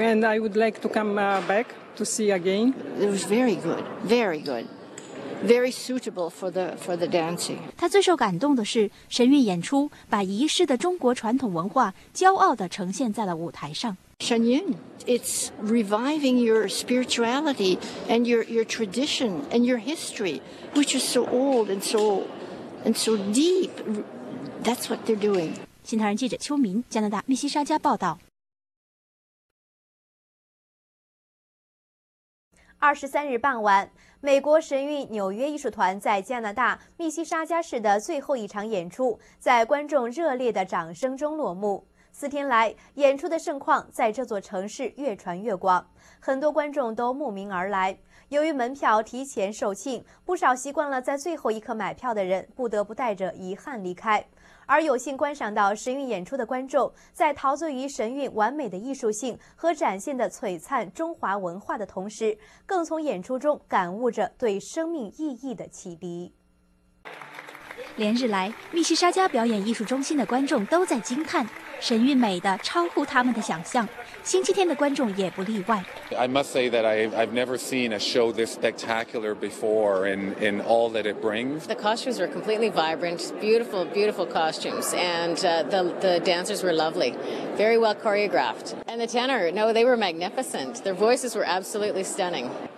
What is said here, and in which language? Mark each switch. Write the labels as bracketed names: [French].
[English] And I would like to come back to see again. It was very good. Very good. very suitable for the dancing. [Chinese] 他最受感动的是神韵演出把遗失的中国传统文化骄傲地呈现在了舞台上。 [English] 神韵 it's reviving your spirituality and your tradition and your history, which is so old and so deep. That's what they're doing. [Chinese] 新唐人记者邱明，加拿大密西沙加报道。 23日傍晚，美国神韵纽约艺术团在加拿大密西沙加市的最后一场演出，在观众热烈的掌声中落幕。四天来，演出的盛况在这座城市越传越广，很多观众都慕名而来。由于门票提前售罄，不少习惯了在最后一刻买票的人不得不带着遗憾离开。而有幸观赏到神韵演出的观众，在陶醉于神韵完美的艺术性和展现的璀璨中华文化的同时，更从演出中感悟着对生命意义的启迪。连日来，密西沙加表演艺术中心的观众都在惊叹，神韵美的超乎他们的想象。星期天的观众也不例外。 [English] I must say that I've never seen a show this spectacular before in all that it brings. The costumes were completely vibrant, beautiful, beautiful costumes, and the dancers were lovely, very well choreographed. And the tenor, no, they were magnificent. Their voices were absolutely stunning.